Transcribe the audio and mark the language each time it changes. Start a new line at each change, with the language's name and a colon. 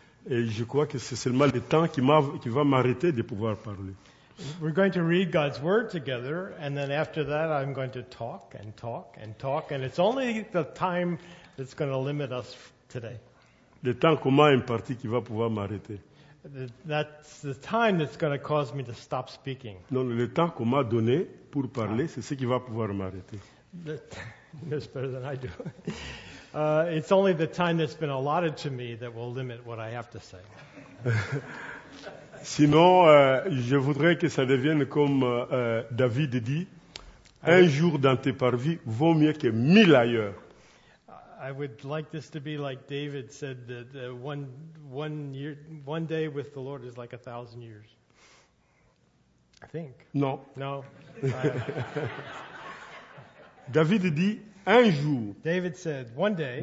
French: Et je crois que c'est seulement le temps qui va m'arrêter de pouvoir parler.
English: We're going to read God's Word together, and then after that I'm going to talk, and it's only the time that's going to limit us today.
French: Le temps commun en partie qui va pouvoir m'arrêter.
English: That's the time that's going to cause me to stop speaking.
French: Non, le temps qu'on m'a donné pour parler, c'est ce qui va pouvoir m'arrêter.
English: That's better than I do. It's only the time that's been allotted to me that will limit what I have to say.
French: Sinon, je voudrais que ça devienne comme David dit, un jour dans tes parvis vaut mieux que mille ailleurs.
English: I would like this to be like David said, that one day with the Lord is like a thousand years. I think.
French: Non.
English: No.
French: David dit, un jour,
English: David said, one day,